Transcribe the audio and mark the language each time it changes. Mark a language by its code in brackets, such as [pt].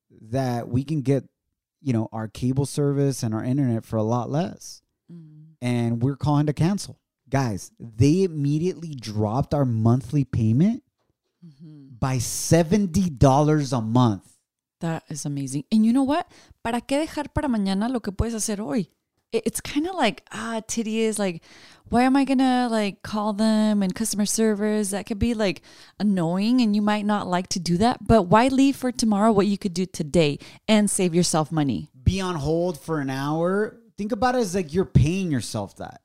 [en] that we can get, you know, our cable service and our internet for a lot less. And we're calling to cancel. Guys, they immediately dropped our monthly payment by $70 a month. That is amazing. And you know what? [es] ¿Para qué dejar para mañana lo que puedes hacer hoy? [en] It's kind of like, tedious. Like, why am I going to like call them and customer service? That could be like annoying and you might not like to do that. But why leave for tomorrow what you could do today and save yourself money? Be on hold for an hour. Think about it as like you're paying yourself that.